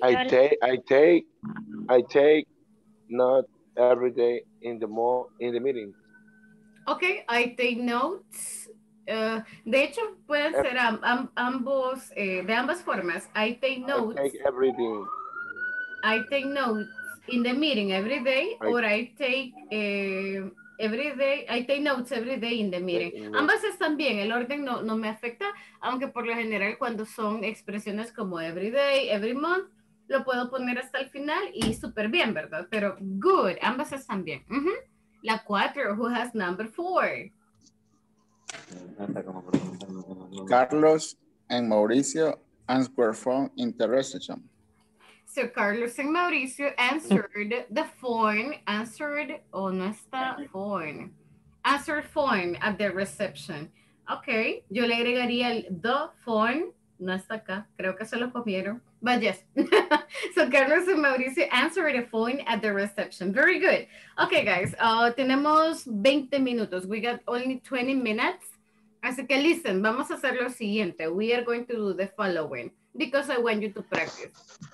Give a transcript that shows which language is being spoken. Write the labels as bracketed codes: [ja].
[en] I take notes every day in the meeting. Okay, I take notes. [es] De hecho, pueden ser ambos, de ambas formas. [en] I take notes. I take everything. I take notes in the meeting every day, I take notes every day in the meeting. [es] Ambas están bien, el orden no me afecta, aunque por lo general cuando son expresiones como every day, every month, lo puedo poner hasta el final y súper bien, ¿verdad? Pero good, ambas están bien. La cuatro, [en] who has number four? Carlos and Mauricio answer phone in the restaurant. So Carlos and Mauricio answered the phone, answered phone at the reception. [es] Okay, yo le agregaría el the phone, no está acá, creo que se lo comieron, [en] but yes. So Carlos and Mauricio answered the phone at the reception. Very good. Okay, guys, [es] tenemos 20 minutos. [en] We got only 20 minutes. [es] Así que listen, vamos a hacer lo siguiente. [en] We are going to do the following because I want you to practice.